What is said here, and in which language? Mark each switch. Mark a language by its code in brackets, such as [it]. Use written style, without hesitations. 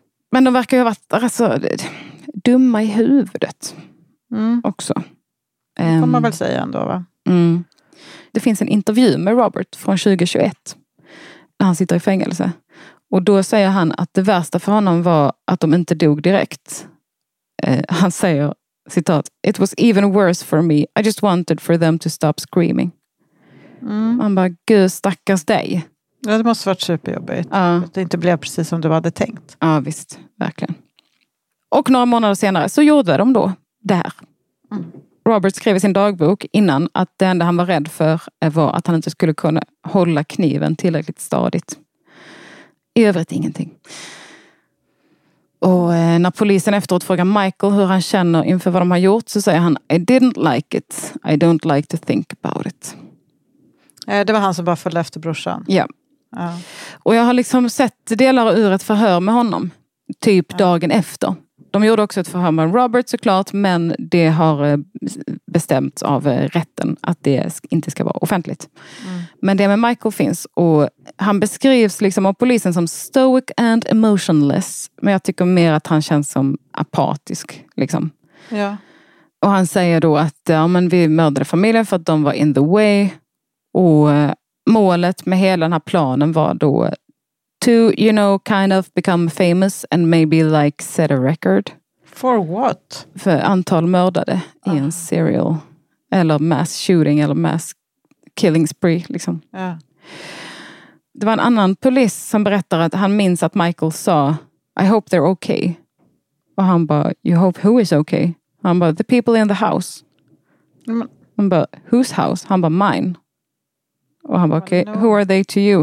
[sv] Men de verkar ju ha varit alltså, dumma i huvudet också. Det får man väl säga ändå, va? Mm. Det finns en intervju med Robert från 2021. När han sitter i fängelse. Och då säger han att det värsta för honom var att de inte dog direkt. Han säger, citat, [en] "It was even worse for me. I just wanted for them to stop screaming." Mm. [sv] Han bara, gud stackars dig. Ja, det måste ha varit superjobbigt. Ja. Det inte blev precis som du hade tänkt. Ja, visst. Verkligen. Och några månader senare så gjorde de då det här. Mm. Robert skrev i sin dagbok innan att det enda han var rädd för var att han inte skulle kunna hålla kniven tillräckligt stadigt. I övrigt ingenting. Och när polisen efteråt frågar Michael hur han känner inför vad de har gjort så säger han [en] "I didn't like it. I don't like to think about it." [sv] Det var han som bara följde efter brorsan. Ja. Ja. Och jag har liksom sett delar ur ett förhör med honom typ dagen efter. De gjorde också ett förhör med Robert såklart, men det har bestämts av rätten att det inte ska vara offentligt. Mm. Men det med Michael finns, och han beskrivs liksom av polisen som [en] stoic and emotionless, [sv] men jag tycker mer att han känns som apatisk liksom. Ja. Och han säger då att ja, men vi mördade familjen för att de var [en] in the way, [sv] och målet med hela den här planen var då [en] to, you know, kind of become famous and maybe like set a record. For what? [sv] För antal mördade i en serial. [en] Eller mass shooting eller mass killing spree. Liksom. Yeah. [sv] Det var en annan polis som berättade att han minns att Michael sa [en] "I hope they're okay." [sv] Och han bara, [en] "You hope who is okay?" [sv] Han bara, [en] "The people in the house." Mm. [sv] Han bara, [en] "Whose house?" Han bara, "Mine." [sv] Och han bara, [en] okay, who are they to you?